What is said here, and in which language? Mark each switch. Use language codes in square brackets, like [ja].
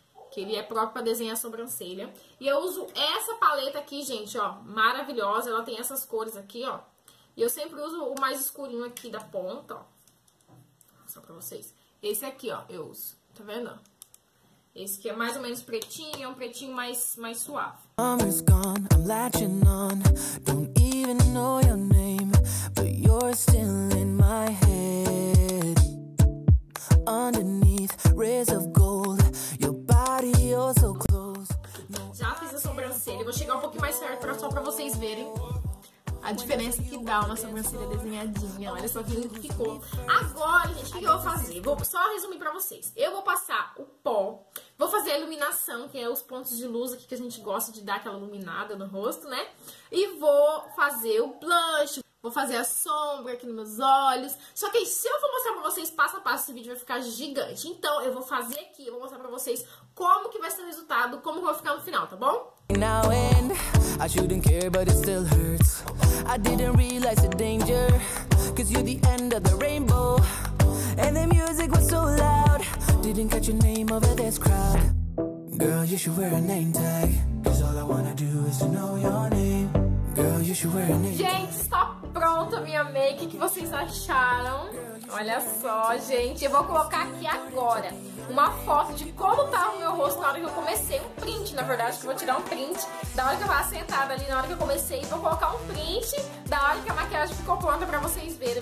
[pt] Que ele é próprio pra desenhar a sobrancelha. E eu uso essa paleta aqui, gente, ó. Maravilhosa. Ela tem essas cores aqui, ó. E eu sempre uso o mais escurinho aqui da ponta, ó. Só pra vocês. Esse aqui, ó, eu uso. Tá vendo? Esse aqui é mais ou menos pretinho, é um pretinho mais suave. [en] Summer's gone, I'm latching on. Don't even know your name, but you're still in my head. Underneath rays of gold, your body you're so close. [pt] Já fiz a sobrancelha, vou chegar um pouquinho mais perto só pra vocês verem a diferença que dá uma sobrancelha desenhadinha. Olha só que lindo que ficou. Agora, gente, o que eu vou fazer? Vou só resumir pra vocês. Eu vou passar o pó, vou fazer a iluminação, que é os pontos de luz aqui que a gente gosta de dar aquela iluminada no rosto, né? E vou fazer o blush, vou fazer a sombra aqui nos meus olhos. Só que se eu for mostrar pra vocês passo a passo, esse vídeo vai ficar gigante. Então, eu vou fazer aqui, eu vou mostrar pra vocês como que vai ser o resultado, como que vai ficar no final, tá bom? [en] Now and I shouldn't care, but it still hurts. I didn't realize the danger, 'cause you're the end of the rainbow. And the music was so loud, didn't catch your name over this crowd. Girl, you should wear a name tag, 'cause all I wanna do is to know your name. Girl, you should wear a name tag. [pt] Gente, está pronta a minha make. O que vocês acharam? Olha só, gente. Eu vou colocar aqui agora uma foto de como tava o meu rosto na hora que eu comecei. Um print, na verdade, que eu vou tirar um print da hora que eu tava sentada ali, na hora que eu comecei. Vou colocar um print da hora que a maquiagem ficou pronta pra vocês verem.